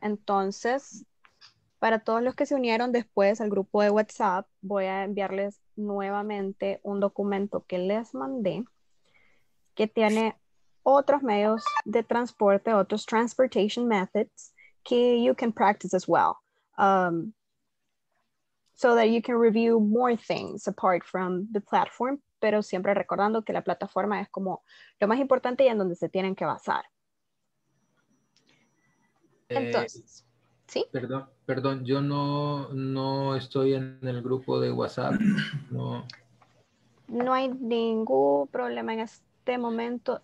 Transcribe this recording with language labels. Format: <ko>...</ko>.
<es>Entonces, para todos los que se unieron después al grupo de WhatsApp, voy a enviarles nuevamente un documento que les mandé que tiene otros medios de transporte, otros transportation methods que</es> <en>you can practice as well. So that you can review more things apart from the platform.</en> <es>Pero siempre recordando que la plataforma es como lo más importante y en donde se tienen que basar. Entonces, ¿sí? Perdón, perdón, yo no estoy en el grupo de WhatsApp. No. No hay ningún problema en este momento.</es>